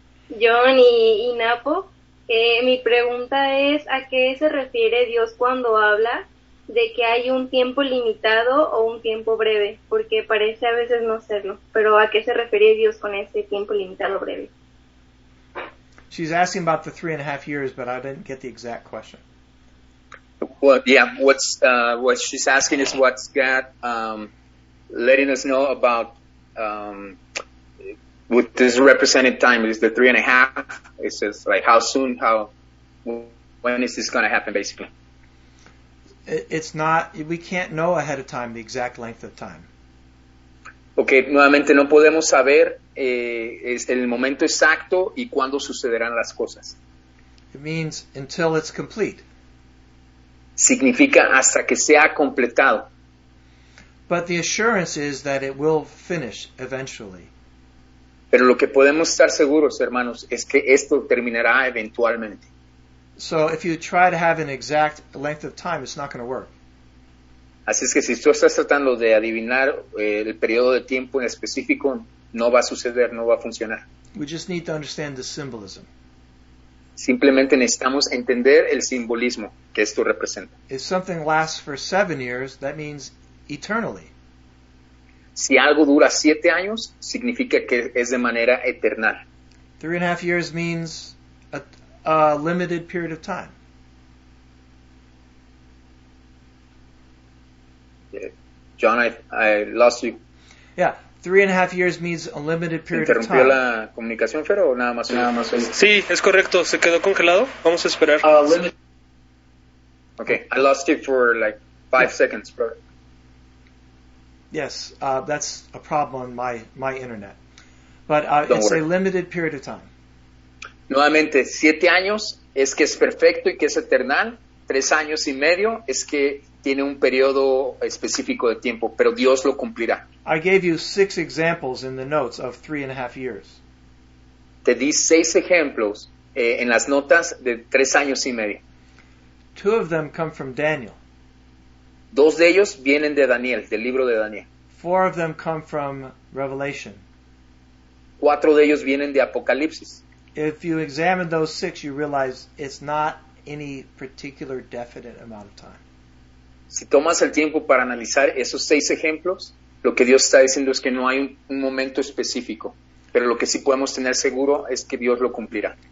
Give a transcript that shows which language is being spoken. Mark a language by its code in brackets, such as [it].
[es] John y Napo, mi pregunta es, ¿a qué se refiere Dios cuando habla de que hay un tiempo limitado o un tiempo breve? Porque parece a veces no serlo, pero ¿a qué se refiere Dios con ese tiempo limitado o breve? [en] She's asking about the 3.5 years, but I didn't get the exact question. Well, yeah, what she's asking is what's God letting us know about... with this represented time, is the 3.5, it says, like, how soon, when is this going to happen, basically? It's not, we can't know ahead of time the exact length of time. [es] Okay, nuevamente, no podemos saber es el momento exacto y cuándo sucederán las cosas. [en] It means until it's complete. [es] Significa hasta que sea completado. [en] But the assurance is that it will finish eventually. [es] Pero lo que podemos estar seguros, hermanos, es que esto terminará eventualmente. [en] So if you try to have an exact length of time, it's not going to work. [es] Así es que si tú estás tratando de adivinar el periodo de tiempo en específico, no va a suceder, no va a funcionar. [en] We just need to understand the symbolism. [es] Simplemente necesitamos entender el simbolismo que esto representa. [en] If something lasts for 7 years, that means eternally. [es] Si algo dura 7 años, significa que es de manera eterna. [en] 3.5 years means a limited period of time. John, I lost you. Yeah, 3.5 years means a limited period of time. [es] ¿Interrumpió la comunicación, Fer, o nada más? Sí, es correcto. Se quedó congelado. Vamos a esperar. [en] Okay, I lost you for like 5 seconds, bro. Yes, that's a problem on my internet. But it's a limited period of time. [es] Nuevamente, 7 años es que es perfecto y que es eternal. 3.5 años es que tiene un periodo específico de tiempo, pero Dios lo cumplirá. [en] I gave you 6 examples in the notes of 3.5 years. [es] Te di 6 ejemplos en las notas de 3.5 años. [en] 2 of them come from Daniel. [es] 2 de ellos vienen de Daniel, del libro de Daniel. [en] 4 of them come from Revelation. [es] 4 de ellos vienen de Apocalipsis. [en] If you examine those 6, you realize it's not any particular definite amount of time. [es] Si tomas el tiempo para analizar esos 6 ejemplos, lo que Dios está diciendo es que no hay un momento específico. Pero lo que sí podemos tener seguro es que Dios lo cumplirá.